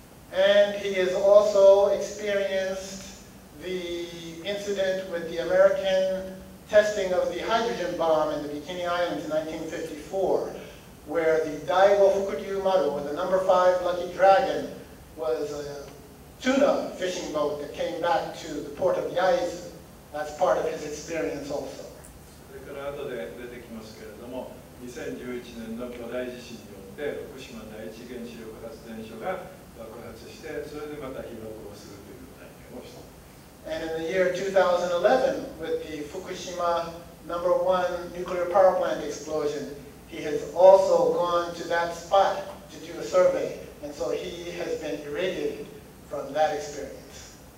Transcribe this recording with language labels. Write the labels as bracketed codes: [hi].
[en] And he has also experienced the incident with the American testing of the hydrogen bomb in the Bikini Islands in 1954. Where the Daigo Fukuryu Maru, the number five lucky dragon, was a tuna fishing boat that came back to the port of Yaizu. That's part of his experience also. [ja] それから後で出てきますけれども、2011年の巨大地震によっって福島第一原子力発電所が爆発してそれでまた被爆をするという体験をした。 [en] And in the year 2011, with the Fukushima number one nuclear power plant explosion, he has also gone to that spot to do a survey, and so he has been irradiated from that experience.